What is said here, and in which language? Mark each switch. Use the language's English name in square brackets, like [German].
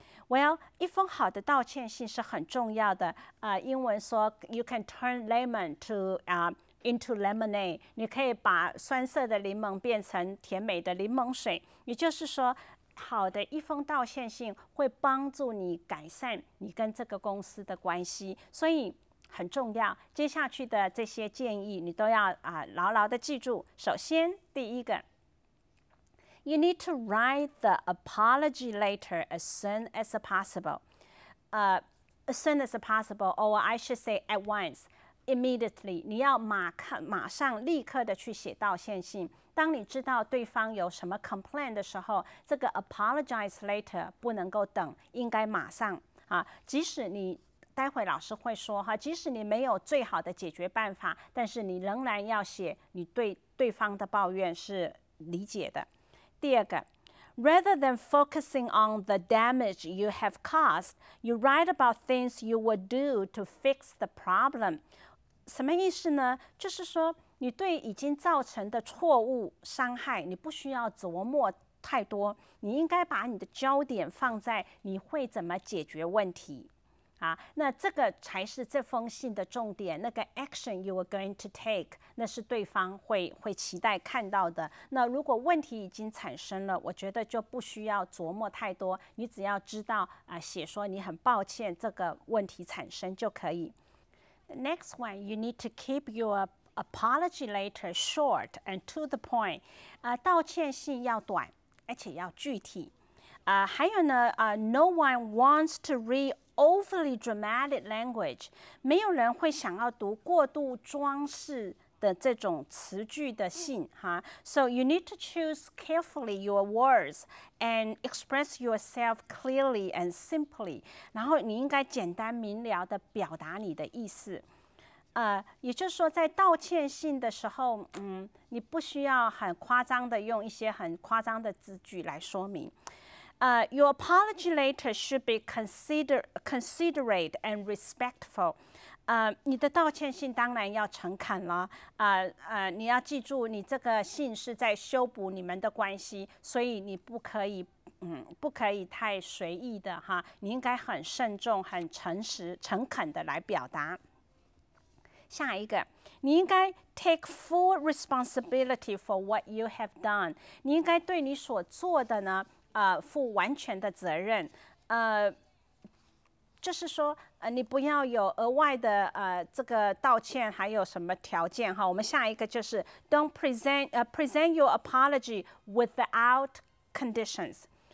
[Chinese] Well, 一封好的道歉信是很重要的英文说 [English] You can turn lemon to into lemonade， [Chinese] 你可以把酸涩的柠檬变成甜美的柠檬水，也就是说好的一封道歉信会帮助你改善你跟这个公司的关系，所以很重要，接下去的这些建议你都要牢牢的记住。首先第一个， [English] You need to write the apology letter as soon as possible. As soon as possible, or I should say at once, immediately. [Chinese] 你要马上立刻的去写道歉信。当你知道对方有什么 complain 的时候，这个 apologize letter 不能够等，应该马上即使你待会老师会说即使你没有最好的解决办法，但是你仍然要写你对对方的抱怨是理解的。第二个， [English] Rather than focusing on the damage you have caused, you write about things you would do to fix the problem. [Chinese] 什么意思呢？就是说你对已经造成的错误伤害你不需要琢磨太多，你应该把你的焦点放在你会怎么解决问题。啊，那这个才是这封信的重点，那个 [English] action you are going to take， [Chinese] 那是对方会期待看到的。那如果问题已经产生了，我觉得就不需要琢磨太多，你只要知道啊，写说你很抱歉这个问题产生就可以。 [English] Next one, you need to keep your apology letter short and to the point. [Chinese] 道歉信要短，而且要具体。还有呢， [English] no one wants to read overly dramatic language. [Chinese] 没有人会想要读过度装饰的这种词句的信哈。 [English] So you need to choose carefully your words and express yourself clearly and simply. [Chinese] 然后你应该简单明了的表达你的意思。也就是说在道歉信的时候，你不需要很夸张的用一些很夸张的字句来说明。 [English] Your apology letter should be considerate and respectful. [Chinese] 你的道歉信当然要诚恳了。你要记住你这个信是在修补你们的关系，所以你不可以太随意的哈，你应该很慎重，很诚实，诚恳的来表达。下一个，你应该 [English] take full responsibility for what you have done. [Chinese] 你应该对你所做的呢，负完全的责任。就是说，你不要有额外的这个道歉，还有什么条件哈？我们下一个就是 [English] don't present your apology without conditions.